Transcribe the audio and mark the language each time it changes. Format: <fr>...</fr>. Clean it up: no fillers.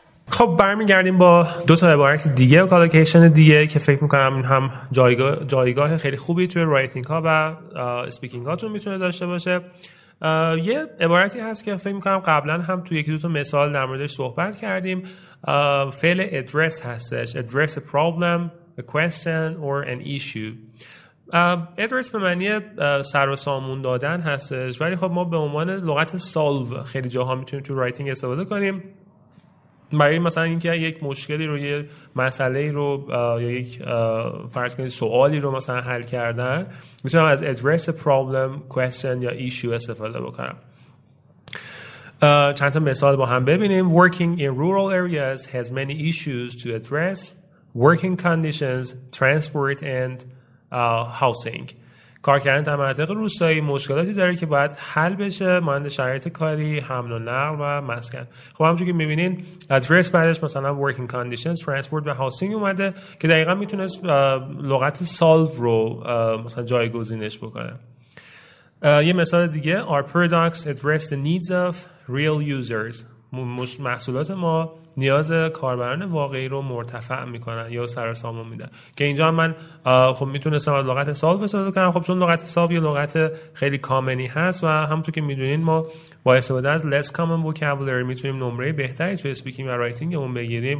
<fa>خب برمیگردیم با دو تا عبارت دیگه و کالوکیشن دیگه که فکر میکنم این هم جایگاه خیلی خوبی توی رایتینگ ها و سپیکینگ هاتون میتونه داشته باشه. یه عبارتی هست که فکر میکنم قبلا هم توی یکی دو تا مثال در موردش صحبت کردیم. فعل address هستش.</fa> <en>Address a problem, a question or an issue.</en> <fa>Address به معنی سر و سامون دادن هستش، ولی خب ما به عنوان لغت solve خیلی جاها میتونیم توی رایتینگ استفاده کنیم. برای مثلا اینکه یک مشکلی رو، یه مسئله‌ای رو یا یک فرض کنید سوالی رو مثلا حل کردن، میتونم از</fa> <en>address a problem, question</en> <fa>یا issue استفاده بکنم. چند تا مثال با هم ببینیم.</fa> <en>Working in rural areas has many issues to address. Working conditions, transport and housing.</en> <fa>کار کردن در مناطق روستایی مشکلاتی داره که باید حل بشه، مانند شرایط کاری، حمل و نقل و مسکن. خب همونجوری که می‌بینین address بعدش مثلا</fa> <en>working conditions, transport</en> <fa>و housing اومده که دقیقا میتونست لغت solve رو مثلا جایگزینش بکنه. یه مثال دیگه,</fa> <en>our products address the needs of real users.</en> <fa>محصولات ما نیاز کاربران واقعی رو مرتفع میکنن یا سرسامون میدن. که اینجا من خب میتونستم از لغت سال بساده کنم. خب چون لغت سال یه لغت خیلی کامنی هست و همونطور که میدونین ما با استفاده از</fa> <en>less common vocabulary</en> <fa>میتونیم نمره بهتری توی speaking و writing اون بگیریم.</fa>